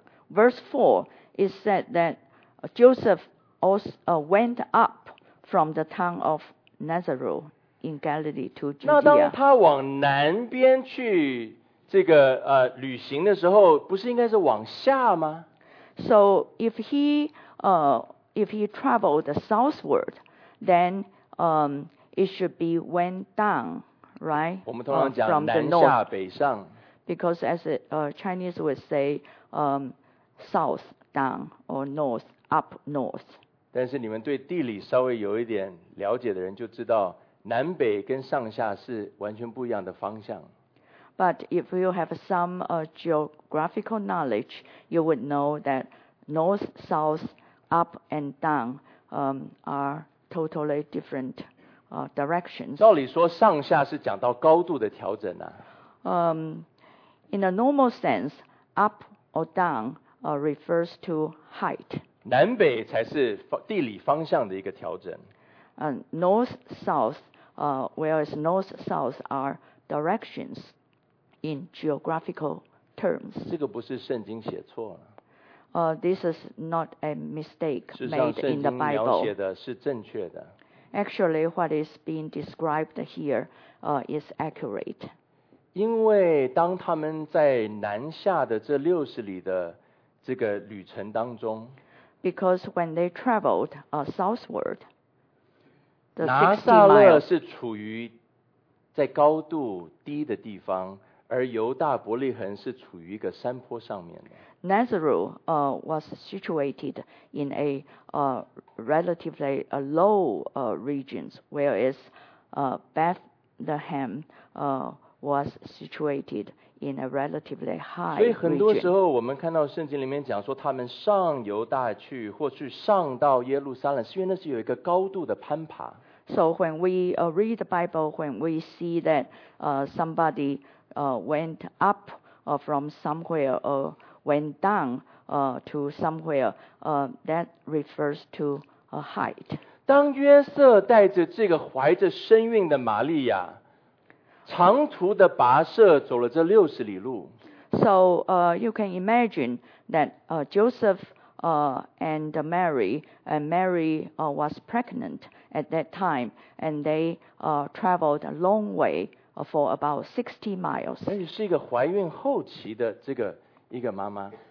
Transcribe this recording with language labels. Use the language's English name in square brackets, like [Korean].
[English] Verse 4 is said that Joseph also went up from the town of Nazareth in Galilee to Judea. [Chinese] 那当他往南边去这个旅行的时候，不是应该是往下吗？ [English] So if he traveled southward, then it should be went down, right? [Chinese] 我们通常讲南下北上。 [English] Because as Chinese would say, south down or north up north. [Chinese] 但是你们对地理稍微有一点了解的人就知道，南北跟上下是完全不一样的方向。 [English] But if you have some geographical knowledge, you would know that north, south, up and down are totally different directions. [Chinese] 照理说上下是讲到高度的调整啊。 [English] In a normal sense, up or down refers to height. [Chinese] 南北才是地理方向的一个调整。 [English] North, south, whereas north, south are directions in geographical terms. [Chinese] 这个不是圣经写错了。 [English] This is not a mistake made in the Bible. [Chinese] 事实上，圣经描写的是正确的。 [English] Actually, what is being described here is accurate. [Chinese] 因为当他们在南下的这六十里的这个旅程当中， [English] Because when they traveled southward, the 60 miles, [Chinese] 拿撒勒是处于在高度低的地方，而犹大伯利恒是处于一个山坡上面的。 [English] Nazareth was situated in a relatively a low regions, whereas Bethlehem was situated in a relatively high region. [Chinese] 所以很多时候我们看到圣经里面讲说他们上犹大去或是上到耶路撒冷，是因为那是有一个高度的攀爬。 [English] So when we read the Bible, when we see that somebody went up from somewhere or went down to somewhere, that refers to a height. [Chinese] 当约瑟带着这个怀着身孕的玛利亚长途的跋涉走了这六十里路。 [English] So, you can imagine that Joseph and Mary, and Mary was pregnant at that time, and they traveled a long way for about 60 miles. [Chinese] 而且是一个怀孕后期的这个一个妈妈。